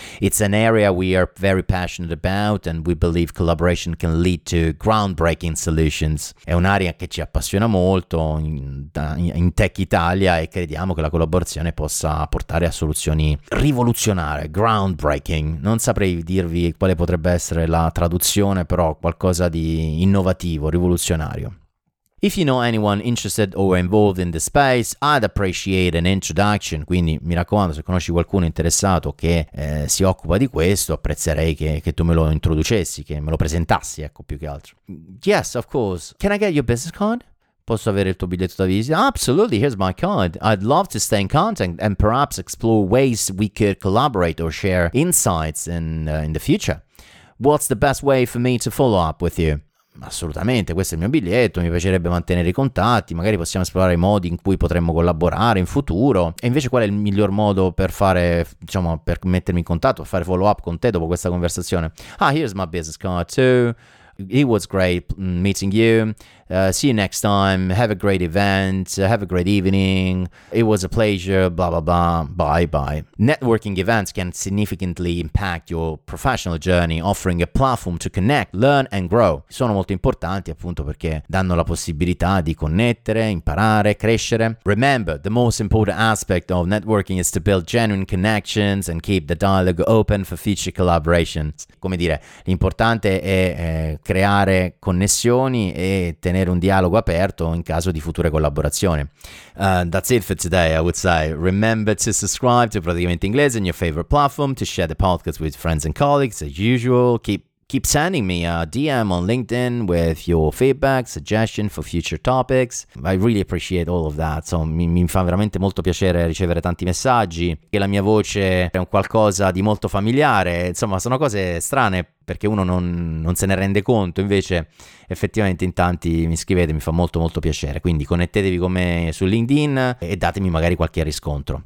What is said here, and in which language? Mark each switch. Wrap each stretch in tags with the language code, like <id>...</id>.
<en>It's an area we are very passionate about and we believe collaboration can lead to groundbreaking solutions.</en> <it>È un'area che ci appassiona molto in tech Italia e crediamo che la collaborazione possa portare a soluzioni rivoluzionarie, groundbreaking. Non saprei dirvi quale potrebbe essere la traduzione, però qualcosa di innovativo, rivoluzionario.</it> <en>If you know anyone interested or involved in the space, I'd appreciate an introduction.</en> <it>Quindi mi raccomando, se conosci qualcuno interessato che si occupa di questo, apprezzerei che tu me lo introducessi, che me lo presentassi, ecco, più che altro.</it> <en>Yes, of course. Can I get your business card?</en> <it>Posso avere il tuo biglietto da visita?</it> <en>Absolutely, here's my card. I'd love to stay in contact and perhaps explore ways we could collaborate or share insights in the future. What's the best way for me to follow up with you?</en> <it>Assolutamente, questo è il mio biglietto, mi piacerebbe mantenere i contatti, magari possiamo esplorare i modi in cui potremmo collaborare in futuro. E invece qual è il miglior modo per fare, diciamo, per mettermi in contatto, per fare follow up con te dopo questa conversazione?</it> <en>Ah, here's my business card too. It was great meeting you. See you next time. Have a great event. Have a great evening. It was a pleasure. Blah, blah, blah. Bye, bye. Networking events can significantly impact your professional journey, offering a platform to connect, learn and grow.</en> <it>Sono molto importanti, appunto, perché danno la possibilità di connettere, imparare, crescere.</it> <en>Remember, the most important aspect of networking is to build genuine connections and keep the dialogue open for future collaborations.</en> <it>Come dire, l'importante è creare connessioni e tenere un dialogo aperto in caso di future collaborazioni.</it> <en>That's it for today, I would say. Remember to subscribe to Praticamente Inglese in your favorite platform, to share the podcast with friends and colleagues as usual. Keep sending me a DM on LinkedIn with your feedback, suggestion for future topics. I really appreciate all of that.</en> <it>So mi fa veramente molto piacere ricevere tanti messaggi, che la mia voce è un qualcosa di molto familiare. Insomma, sono cose strane, perché uno non se ne rende conto, invece effettivamente in tanti mi scrivete, mi fa molto molto piacere. Quindi connettetevi con me su LinkedIn e datemi magari qualche riscontro.</it>